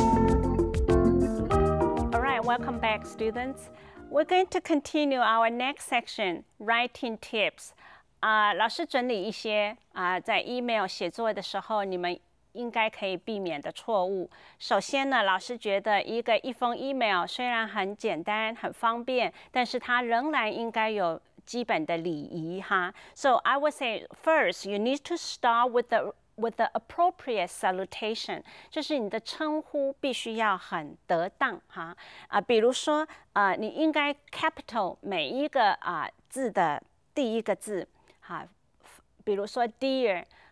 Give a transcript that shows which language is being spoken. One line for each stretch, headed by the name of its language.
English: All right, welcome back, students. We're going to continue our next section, writing tips.
Chinese: 老师整理一些在 email 写作的时候你们应该可以避免的错误。首先呢，老师觉得一封 email 虽然很简单、很方便，但是它仍然应该有基本的礼仪哈。
English: So I would say first, you need to start with the appropriate salutation,
Chinese: 就是你的称呼必须要很得当哈。比如说你应该 capital 每一个字的第一个字哈，比如说 dear。